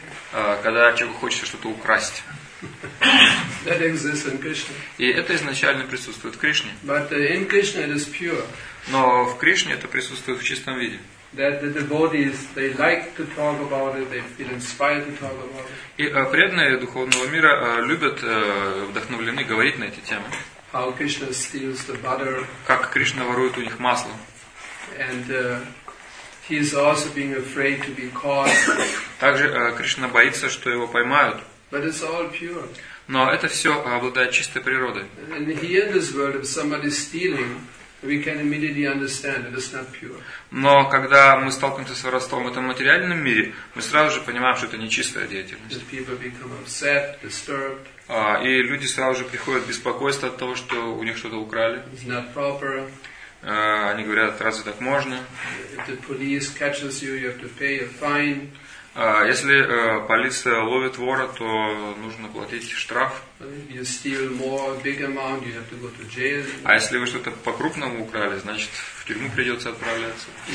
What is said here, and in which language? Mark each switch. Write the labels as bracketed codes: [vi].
[ru] Когда человеку хочется что-то украсть. [en] That exists in Krishna. [ru] И это изначально присутствует в Кришне. [en] But in Krishna it is pure. [ru] Но в Кришне это присутствует в чистом виде. [en] That the devotees, they like to talk about it, they feel inspired to talk about it. [ru] И преданные духовного мира любят, вдохновлены говорить на эти темы. [en] How Krishna steals the butter. [ru] Как Кришна ворует у них масло. [en] And he is also being afraid to be caught. [ru] Также Кришна боится, что его поймают. [en] But it's all pure. [ru] Но это все обладает чистой природой. [en] And here in this world, if somebody is stealing, We can immediately understand it is not pure. [ru] Но когда мы сталкиваемся с воровством в этом материальном мире, мы сразу же понимаем, что это нечистая деятельность. [en] People become upset, disturbed. [ru] И люди сразу же приходят в беспокойство от того, что у них что-то украли. [en] It's not proper. [ru] Они говорят, разве так можно? [en] If the police catches you, you have to pay a fine. [ru] Если полиция ловит вора, то нужно платить штраф. А если вы что-то по-крупному украли, значит, в тюрьму придется отправляться.